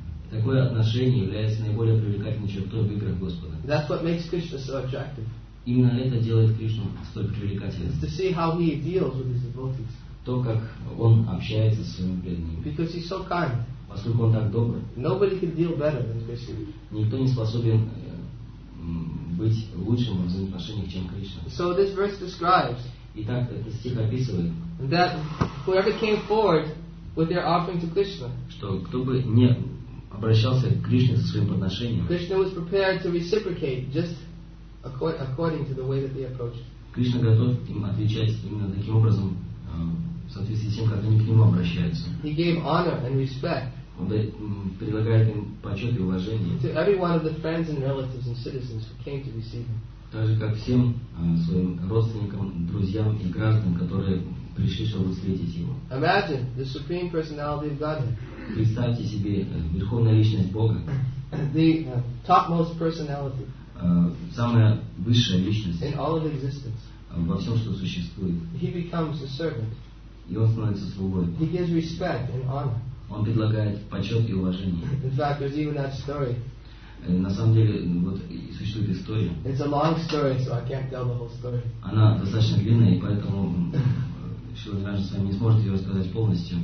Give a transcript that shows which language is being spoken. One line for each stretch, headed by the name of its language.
Russian: Такое отношение является наиболее привлекательной чертой в играх Господа.
English: That's what makes Krishna so attractive.
Russian: Именно это делает Кришну столь привлекательным.
English: To see how he deals with his devotees.
Russian: то, как он общается со своими преданными.
English: Because he's so kind.
Russian: Поскольку он так добр.
English: Nobody can deal better than Krishna.
Russian: Никто не способен быть лучшим в взаимоотношениях, чем Кришна.
English: So this verse describes.
Russian: Итак, этот стих описывает.
English: That whoever came forward with their offering to Krishna.
Russian: Что кто бы не обращался к Кришне со своим подношением.
English: Krishna was prepared to reciprocate just according to the way that they approached.
Russian: Кришна готов им отвечать именно таким образом, в соответствии с тем, как они к нему обращаются.
English: He gave honor and respect.
Russian: Он предлагает им почет и уважение.
English: To every one of the friends and relatives and citizens who came to receive him.
Russian: Так же, как всем своим родственникам, друзьям и гражданам, которые пришли, чтобы встретить его.
English: Imagine the supreme personality of Godhead.
Russian: Представьте себе верховная личность Бога.
English: The topmost personality.
Russian: Самая высшая личность.
English: In all of existence.
Russian: Во всем, что существует.
English: He becomes a servant.
Russian: И он становится слугой.
English: He gives respect and honor.
Russian: Он предлагает почет и уважение.
English: In fact, there's even that story.
Russian: На самом деле, вот и существует история.
English: It's a long story, so I can't tell the whole story.
Russian: Она достаточно длинная, и поэтому сегодня даже с вами не сможет ее рассказать полностью.